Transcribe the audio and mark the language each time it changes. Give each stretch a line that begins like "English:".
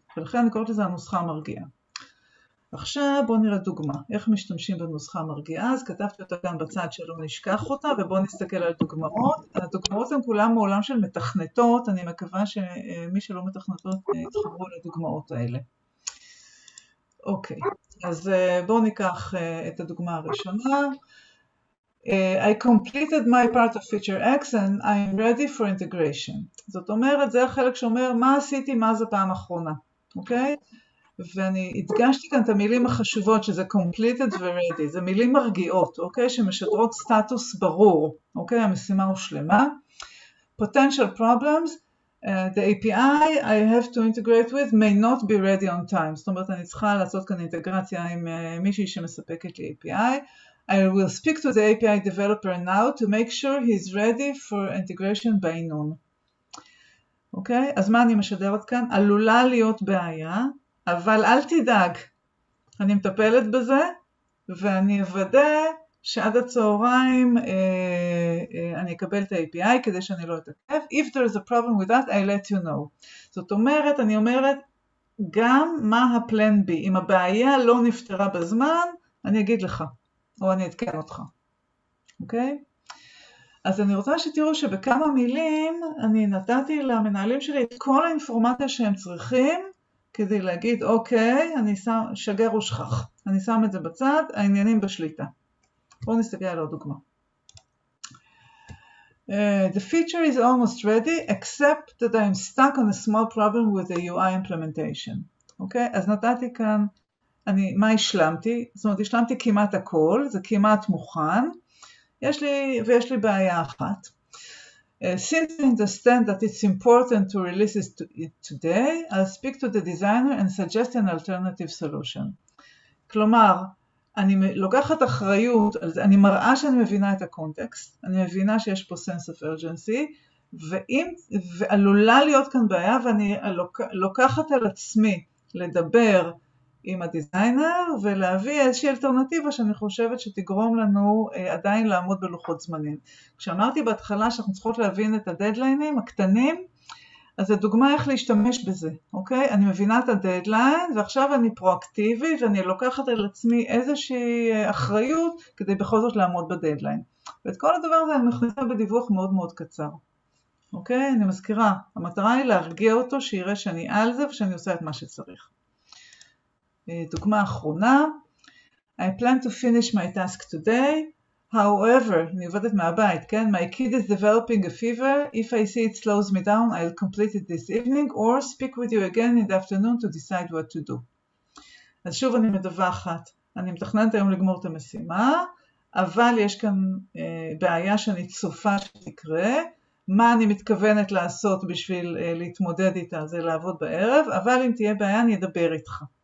Hebrew: ולכן אני קוראת לזה הנוסחה המרגיעה. עכשיו בואו נראה דוגמה, איך משתמשים בנוסחה המרגיעה, אז כתבתי אותה כאן בצד שלא נשכח אותה, ובואו נסתכל על דוגמאות. הדוגמאות הן כולם מעולם של מתכנתות, אני מקווה שמי שלא מתכנתות יתחברו לדוגמאות האלה. אוקיי, אז בואו ניקח את הדוגמה הראשונה.
English: I completed my part of feature X and I'm ready for integration.
Hebrew: זאת אומרת, זה החלק שאומר מה עשיתי, מה זה פעם אחרונה, אוקיי? ואני הדגשתי כאן את המילים החשובות שזה completed ו-ready, זה מילים מרגיעות, אוקיי? שמשדרות סטטוס ברור, אוקיי? המשימה הושלמה.
English: Potential problems, the API I have to integrate with may not be ready on time.
Hebrew: זאת אומרת, אני צריכה לעשות כאן אינטגרציה עם מישהי שמספקת ל-API.
English: I will speak to the API developer now to make sure he's ready for integration by noon. אוקיי?
Hebrew: אז מה אני משדרת כאן? עלולה להיות בעיה. אבל אל תדאג, אני מטפלת בזה, ואני אוודא שעד הצהריים אני אקבל את ה-API כדי שאני לא אתעכב.
English: If there is a problem with that, I'll let you know.
Hebrew: זאת אומרת, אני אומרת, גם מה הפלן B, אם הבעיה לא נפתרה בזמן, אני אגיד לך, או אני אתקן אותך. אוקיי? אז אני רוצה שתראו שבכמה מילים אני נתתי למנהלים שלי את כל האינפורמציה שהם צריכים, כדי להגיד, אוקיי, אני שגר ושכח. אני שם את זה בצד, העניינים בשליטה. בואו נסתכל על עוד דוגמה.
English: The feature is almost ready, except that I'm stuck on a small problem with the UI implementation.
Hebrew: אוקיי? אז נתתי כאן, מה השלמתי? זאת אומרת, השלמתי כמעט הכל, זה כמעט מוכן. ויש לי בעיה אחת.
English: Since I understand that it's important to release it today, I'll speak to the designer and suggest an alternative solution.
Hebrew: כלומר, אני לוקחת אחריות, אני מראה שאני מבינה את הקונטקסט, אני מבינה שיש פה
English: sense of urgency,
Hebrew: ועלולה להיות כאן בעיה, ואני לוקחת על עצמי לדבר עם הדיזיינר ולהביא איזושהי אלטרנטיבה שאני חושבת שתגרום לנו עדיין לעמוד בלוחות זמנים. כשאמרתי בהתחלה שאנחנו צריכות להבין את הדדליינים הקטנים, אז הדוגמה איך להשתמש בזה, אוקיי? אני מבינה את הדדליין ועכשיו אני פרואקטיבי ואני לוקחת על עצמי איזושהי אחריות כדי בכל זאת לעמוד בדדליין. ואת כל הדבר הזה אני מכניסה בדיווח מאוד מאוד קצר. אוקיי? אני מזכירה, המטרה היא להרגיע אותו שיראה שאני על זה ושאני עושה את מה שצריך. דוגמה אחרונה,
English: I plan to finish my task today, however,
Hebrew: אני עובדת מהבית, כן?
English: My kid is developing a fever, if I see it slows me down, I'll complete it this evening, or speak with you again in the afternoon to decide what to do.
Hebrew: אז שוב אני מדווחת, אני מתכננת היום לגמור את המשימה, אבל יש כאן בעיה שאני צופה שתקרה, מה אני מתכוונת לעשות בשביל להתמודד איתה, זה לעבוד בערב, אבל אם תהיה בעיה אני אדבר איתך.